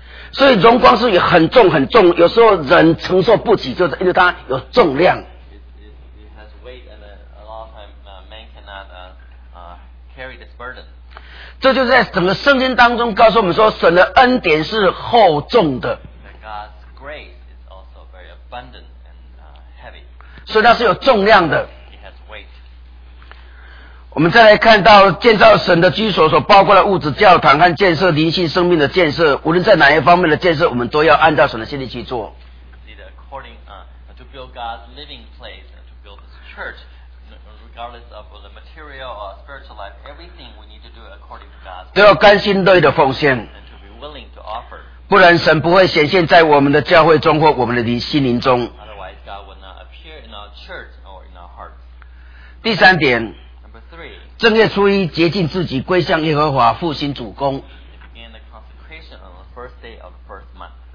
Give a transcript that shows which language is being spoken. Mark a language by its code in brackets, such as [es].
[zh] 所以荣光是很重很重，有时候人承受不起，就是因为它有重量。 [en] It has weight and a lot of time man cannot carry this burden. [zh] 这就是在整个圣经当中告诉我们说神的恩典是厚重的 [en] God's grace is also very abundant and heavy. [zh] 所以它是有重量的 [en] It has weight. [zh] 我们再来看到建造神的居所所包括的物质教堂和建设灵性生命的建设无论在哪一方面的建设我们都要按照神的心意去做 [en] according, to build God's living place and to build this church regardless of the material or spiritual life everything we need to do according to God's [zh] 都要甘心乐意的奉献 [en] and to be willing to offer [zh] 不然神不会显现在我们的教会中或我们的心灵中 [en] otherwise God would not appear in our church or in our hearts [zh] 第三点 [en] number three [zh] 正月初一洁净自己归向耶和华复兴主公 [en] begin the consecration on the first day of the first month